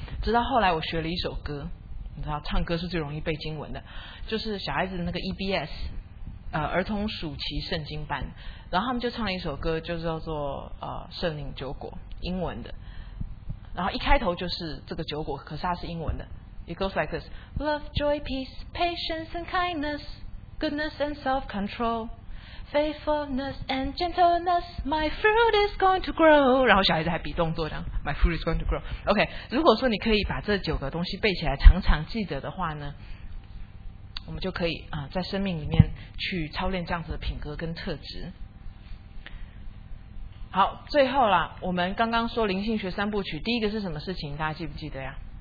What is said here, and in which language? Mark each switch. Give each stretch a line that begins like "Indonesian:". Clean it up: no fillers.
Chinese: 直到后来我学了一首歌，你知道唱歌是最容易背经文的，就是小孩子那个 EBS 儿童暑期圣经班，然后他们就唱了一首歌，就叫做圣灵九果，英文的，然后一开头就是这个九果，可是它是英文的。
English: It goes like this: Love, joy, peace, patience and kindnessGoodness and self-control, faithfulness and gentleness, my fruit is going to grow.
Chinese: 然后小孩子还比动作，这样
English: my fruit is going to grow.
Chinese: OK， 如果说你可以把这九个东西背起来，常常记得的话呢，我们就可以在生命里面去操练这样子的品格跟特质。好，最后啦，我们刚刚说灵性学三部曲，第一个是什么事情？大家记不记得呀？